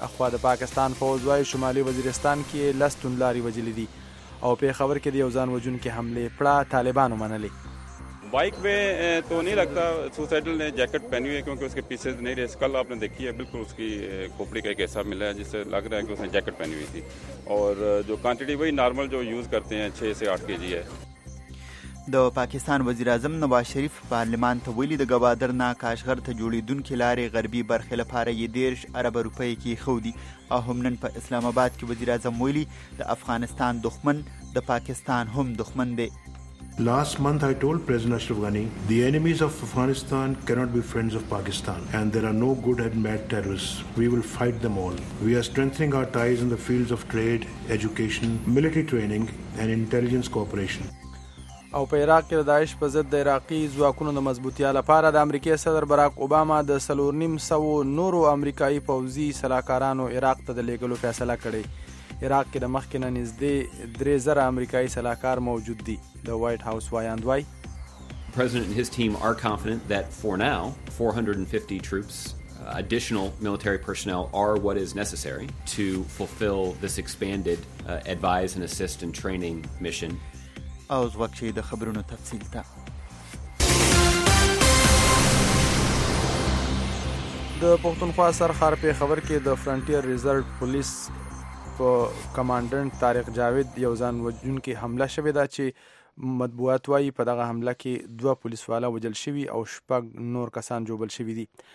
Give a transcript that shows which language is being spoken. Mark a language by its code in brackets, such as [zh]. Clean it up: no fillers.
[ps] اخوا د پاکستان فوج وای شمالي وزیرستان کې لستون لاری وجلی دي او په خبر کې دی یو ځان وجون کې حمله پړه طالبانو منلې. [ur] بائک پہ تو نہیں لگتا, سوسائڈل نے جیکٹ پہنی ہوئی ہے کیونکہ اس کے پیسز نہیں رہے. کل آپ نے دیکھی ہے بالکل اس کی کھوپڑی کا ایک ایسا ملا ہے جس سے لگ رہا ہے کہ اس نے جیکٹ پہنی ہوئی تھی, اور جو کوانٹٹی وہی نارمل جو یوز کرتے ہیں 6 سے 8 kg ہے. [ps] دو پاکستان وزیر اعظم نواز شریف پارلیمان ته ویلی د گوادر نا کاشغر ته جوړی دن کلارې غربي برخې لپاره یی 1.5 ارب روپۍ کې خودي. او هم نن په اسلام آباد کې وزیر اعظم ویلی د افغانستان دښمن د پاکستان هم دښمن دی. [en] Last month I told President Ashraf Ghani, the enemies of Afghanistan cannot be friends of Pakistan, and there are no good and bad terrorists. We will fight them all. We are strengthening our ties in the fields of trade, education, military training and intelligence cooperation. [ps] او په عراق کې د داعش په ضد د عراقي ځواکونو د مضبوطی لپاره د امریکای صدر براک اوباما د 450 نورو امریکایي پوځي سلاکارانو عراق ته د لیږلو فیصله کړې. عراق کې د مخکې نه نږدې 3000 امریکایي سلاکار موجود دي. د وایټ هاوس وایاند وای [en] President and his team are confident that for now 450 troops, additional military personnel are what is necessary to fulfill this expanded advise and assist and training mission. [ps] اوس وخت د خبرونو تفصیل ته. د پښتونخوا سرخار په خبر کې د فرنټیر ریزرو پولیس په کمانډنټ طارق جاوید یو ځان وجون کې حمله شوې ده چې مطبوعات وایي په دغه حمله کې دوه پولیس والا وجل شوي او شپږ نور کسان جوبل شوي دي.